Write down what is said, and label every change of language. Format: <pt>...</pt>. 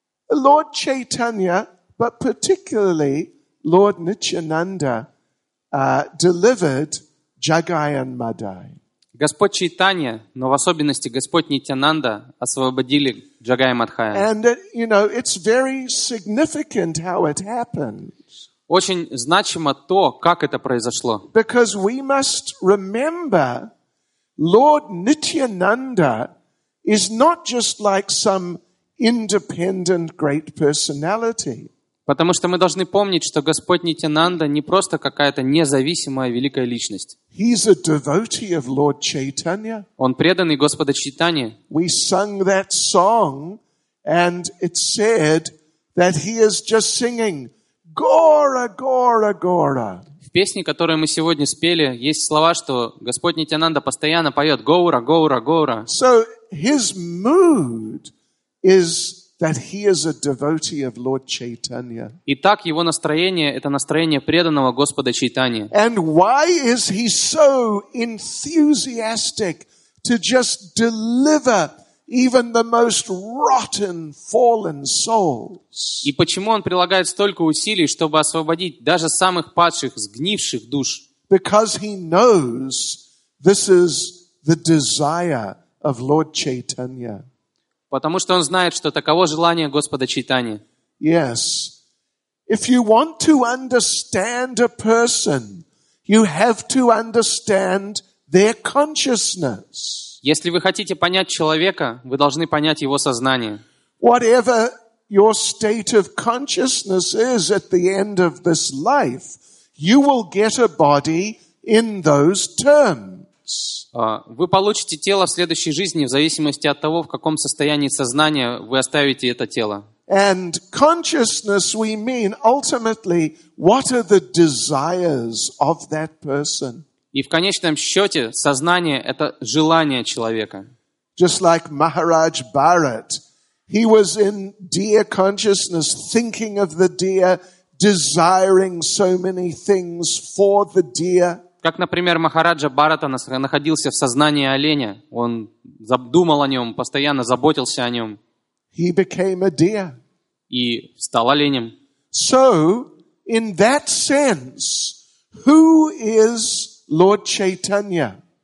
<en>Lord Chaitanya, but particularly Lord Nityananda, delivered Jagai and Madai.</en> <ru>Господь Чайтанья, но в особенности Господь Нитянанда, освободили Джагая Мадхая.</ru> <en>And you know, it's very significant how it happened.</en> <ru>Очень значимо то, как это произошло.</ru> <en>Because we must remember, Lord Nityananda is not just like some independent great personality.</en> <ru>Потому что мы должны помнить, что Господь Нитянанда не просто какая-то независимая великая личность.</ru> <en>He's a devotee of Lord Chaitanya.</en> <ru>Он преданный Господа Чайтаньи.</ru> <en>We sung that song, and it said that he is just singing Gora, Gora, Gora.</en> <ru>В песне, которую мы сегодня спели, есть слова, что Господь Нитянанда постоянно поет Гоура, Гоура, Гоура.</ru> <en>So his mood is that he is a devotee of Lord Chaitanya.</en> <ru>Итак, его настроение это настроение преданного Господа Чайтаньи.</ru> <en>And why is he so enthusiastic to just deliver even the most rotten fallen souls?</en> <ru>И почему он прилагает столько усилий, чтобы освободить даже самых падших, сгнивших душ?</ru> <en>Because he knows this is the desire of Lord Chaitanya.</en> <ru>Потому что он знает, что таково желание Господа Чайтаньи.</ru> <en>Yes. If you want to understand a person, you have to understand their consciousness.</en> <ru>Если вы хотите понять человека, вы должны понять его сознание.</ru> <en>Whatever your state of consciousness is at the end of this life, you will get a body in those terms.</en> <ru>Вы получите тело в следующей жизни в зависимости от того, в каком состоянии сознания вы оставите это тело.</ru> <en>And consciousness we mean ultimately what are the desires of that person.</en> <ru>И в конечном счете сознание – это желание человека.</ru> <en>Just like Maharaj Bharat, he was in deer consciousness, thinking of the deer, desiring so many things for the deer.</en> <ru>Как, например, Махараджа Бхарата находился в сознании оленя. Он думал о нем, постоянно заботился о нем.</ru> <en>He became a deer.</en> <ru>И стал оленем.</ru> <en>So, in that sense, who is Lord Chaitanya?</en>